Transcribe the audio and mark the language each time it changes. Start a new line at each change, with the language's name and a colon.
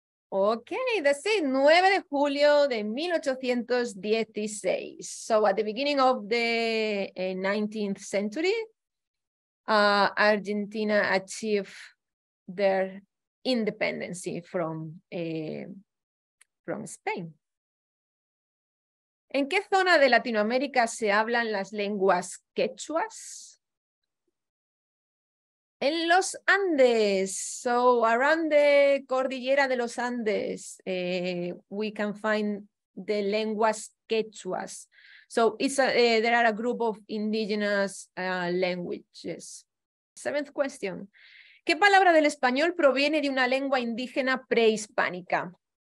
English: Okay, that's it,
Spanish: 9 de julio de 1816.
English: So at the beginning of the 19th century, Argentina achieved their independence from Spain.
Spanish: ¿En qué zona de Latinoamérica se hablan las lenguas quechuas? En los Andes,
English: so around the cordillera de los Andes, we can find the lenguas quechuas. So it's there are a group of indigenous languages. Seventh question.
Spanish: ¿Qué palabra del español proviene de una lengua indígena prehispánica?